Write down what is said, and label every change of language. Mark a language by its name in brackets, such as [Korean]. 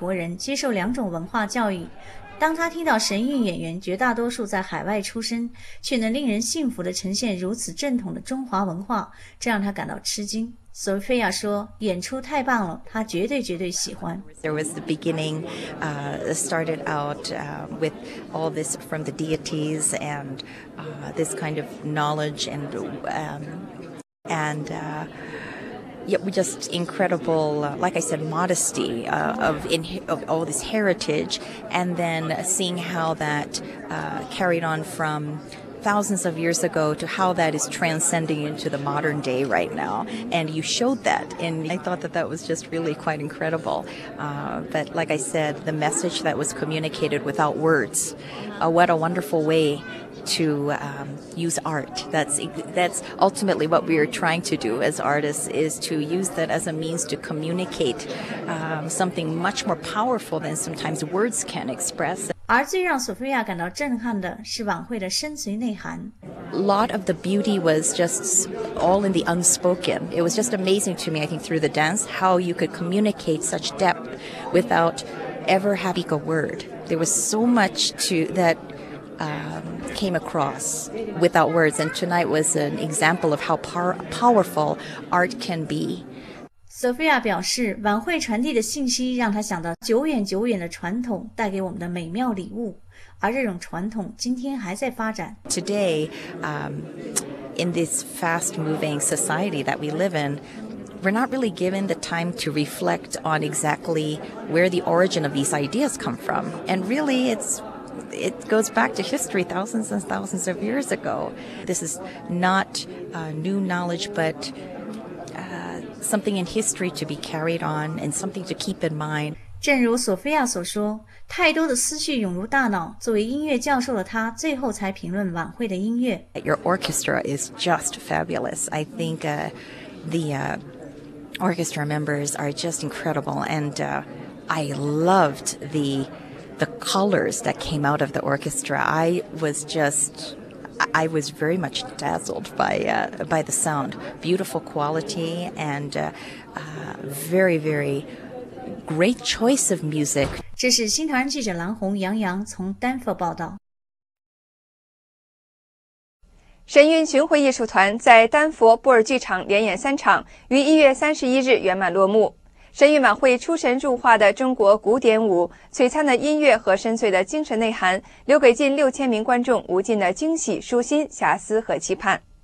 [Chinese] 索菲亚帕克颂是科罗拉多大学的音乐教授，他在观看了神韵晚会后表示，晚会所展现的神性是演出中最引人关注的部分，也是晚会充满力量的原因。索菲亚是韩裔美国人，接受两种文化教育。当他听到神韵演员绝大多数在海外出身，却能令人信服地呈现如此正统的中华文化，这让他感到吃惊。索菲亚说：“演出太棒了，他绝对喜欢。” [English] There was the beginning, started out with all this from the deities and this kind of knowledge and just incredible, like I said, modesty of all this heritage, and then seeing how that carried on from thousands of years ago to how that is transcending into the modern day right now. And you showed that, and I thought that that was just really quite incredible. But like I said, the message that was communicated without words, what a wonderful way to use art. That's ultimately what we are trying to do as artists, is to use that as a means to communicate something much more powerful than sometimes words can express. [Chinese] 而最让索菲亚感到震撼的是晚会的深邃内涵。 [English] Lot of the beauty was just all in the unspoken. It was just amazing to me, I think, through the dance, how you could communicate such depth without ever having a word. There was so much to that came across without words, and tonight was an example of how powerful art can be. [Chinese] Sophia 表示，晚会传递的信息让她想到久远久远的传统带给我们的美妙礼物，而这种传统今天还在发展。 [English] Today, in this fast-moving society that we live in, we're not really given the time to reflect on exactly where the origin of these ideas come from, and really it goes back to history thousands and thousands of years ago. This is not new knowledge, but something in history to be carried on and something to keep in mind. [Chinese] 正如索菲亚所说，太多的思绪涌入大脑，作为音乐教授的他最后才评论晚会的音乐。 [English] Your orchestra is just fabulous. I think orchestra members are just incredible. And I loved the colors that came out of the orchestra. I was very much dazzled by the sound. Beautiful quality and very, very great choice of music. [Chinese] 这是新唐人记者蓝红杨洋从丹佛报道。神韵巡回艺术团在丹佛布尔剧场连演三场，于1月31日圆满落幕。神韵晚会出神入化的中国古典舞，璀璨的音乐和深邃的精神内涵，留给近6000名观众无尽的惊喜、舒心、遐思和期盼。